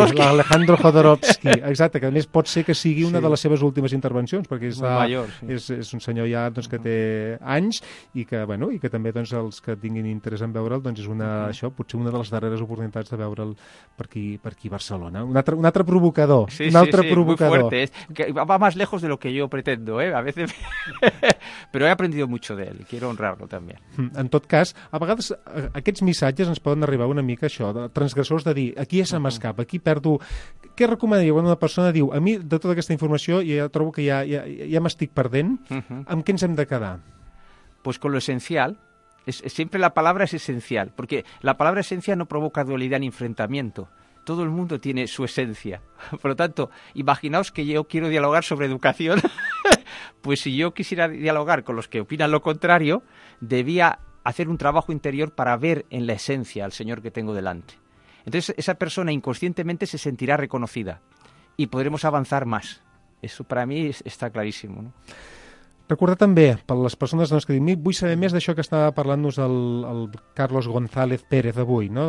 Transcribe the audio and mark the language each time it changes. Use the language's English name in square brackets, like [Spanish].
[Catalan] Alejandro Jodorowsky, exacte, que a més pot ser que sigui una de les seves últimes intervencions, perquè és un senyor ja doncs, que té anys i que, bueno, i que també doncs, els que tinguin interès en veure'l, doncs és una, això, potser una de les darreres oportunitats de veure'l per aquí a Barcelona. Un altre provocador. Sí, un altre provocador. [Spanish] Muy fuerte. Va más lejos de lo que yo pretendo, ¿eh? A veces... Pero he aprendido mucho de él. Quiero honrarlo también. [Catalan] En tot cas, a vegades aquests missatges ens poden arribar una mica això, de transgressors, de dir, aquí ja se m'escapa, aquí perdo... Què recomanaria quan una persona diu, a mi, de tota aquesta informació, ja trobo que ja m'estic perdent, amb què ens hem de quedar? [Spanish] Pues con lo esencial. Siempre la palabra es esencial, porque la palabra esencia no provoca dualidad ni enfrentamiento. Todo el mundo tiene su esencia. Por lo tanto, imaginaos que yo quiero dialogar sobre educación. Pues si yo quisiera dialogar con los que opinan lo contrario, debía hacer un trabajo interior para ver en la esencia al señor que tengo delante. Entonces, esa persona inconscientemente se sentirá reconocida y podremos avanzar más. Eso para mí está clarísimo, ¿no? [Catalan] Recordar també, per les persones doncs, que diuen, vull saber més d'això que estava parlant-nos el Carlos González Pérez avui, no?